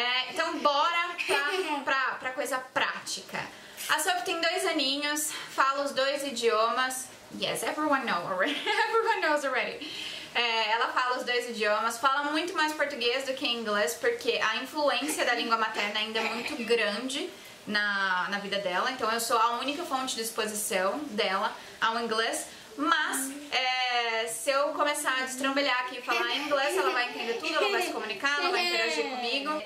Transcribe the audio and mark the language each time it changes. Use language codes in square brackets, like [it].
[pt] Então, bora pra coisa prática. A Sophie tem 2 aninhos, fala os 2 idiomas. [en] Yes, everyone knows already. Everyone knows already. [pt] Ela fala os 2 idiomas, fala muito mais português do que inglês, porque a influência da língua materna ainda é muito grande na vida dela. Então, eu sou a única fonte de exposição dela ao inglês. Mas, se eu começar a destrambelhar aqui e falar inglês, ela vai entender tudo, ela vai se comunicar, ela vai interagir comigo.